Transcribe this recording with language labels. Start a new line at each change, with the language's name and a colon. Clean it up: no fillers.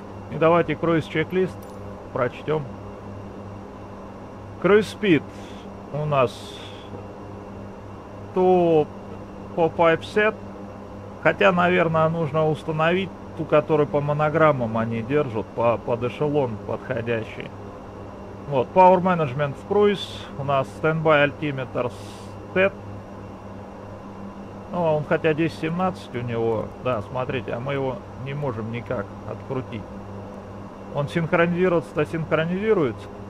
Russian: И давайте круиз чек-лист прочтем. Круиз спид у нас 2 по 5 set. Хотя, наверное, нужно установить ту, которую по монограммам они держат, под эшелон подходящий. Вот, Power Management в круиз. У нас
English: Standby Altimeter Set.
Russian: Ну, он хотя 10-17 у него. Да, смотрите, а мы его не можем никак открутить. Он синхронизируется-то синхронизируется.